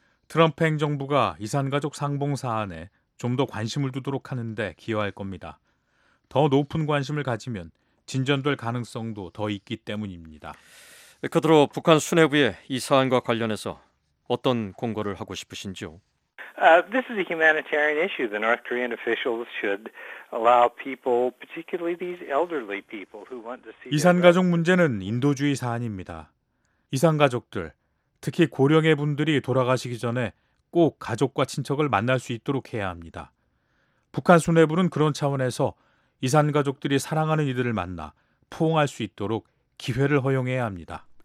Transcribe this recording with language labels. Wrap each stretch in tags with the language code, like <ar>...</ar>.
<ko>트럼프 행정부가 이산가족 상봉 사안에 좀 더 관심을 두도록 하는 데 기여할 겁니다. 더 높은 관심을 가지면 진전될 가능성도 더 있기 때문입니다. 그대로 북한 수뇌부의 이 사안과 관련해서 어떤 공고를 하고 싶으신지요?</ko> <en>This is a humanitarian issue. The North Korean officials should allow people, particularly these elderly people who want to see</en> <ko>이산가족 문제는 인도주의 사안입니다. 이산가족들, 특히 고령의 분들이 돌아가시기 전에 꼭 가족과 친척을 만날 수 있도록 해야 합니다. 북한 수뇌부는 그런 차원에서 이산가족들이 사랑하는 이들을 만나 포옹할 수 있도록 기회를 허용해야 합니다.</ko>